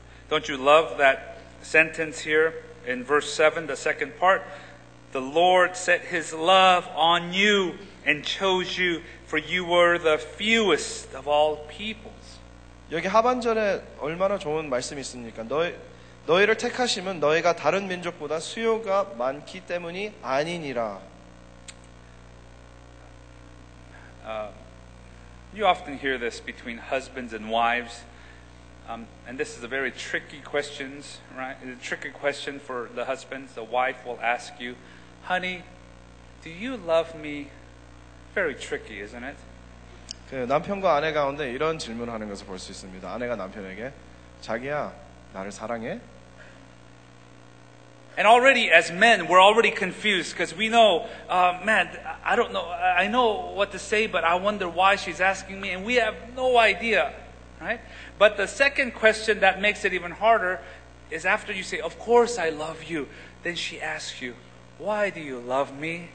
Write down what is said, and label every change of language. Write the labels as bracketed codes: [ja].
[en] Don't you love that sentence here in verse 7, the second part? The Lord set His love on you and chose you, for you were the fewest of all peoples. [ko] 여기 하반절에 얼마나 좋은 말씀이 있습니까? 너희를 택하심은 너희가 다른 민족보다 수요가 많기 때문이 아니니라. [en] You often hear this between husbands and wives, and this is a very tricky question, right? It's a tricky question for the husbands. The wife will ask you, "Honey, do you love me?" Very tricky, isn't it? [ko] 그 남편과 아내 가운데 이런 질문을 하는 것을 볼 수 있습니다. 아내가 남편에게, 자기야, 나를 사랑해? [en] And already, as men, we're already confused because we know, man, I don't know. I know what to say, but I wonder why she's asking me, and we have no idea, right? But the second question that makes it even harder is after you say, "Of course I love you," then she asks you, "Why do you love me?"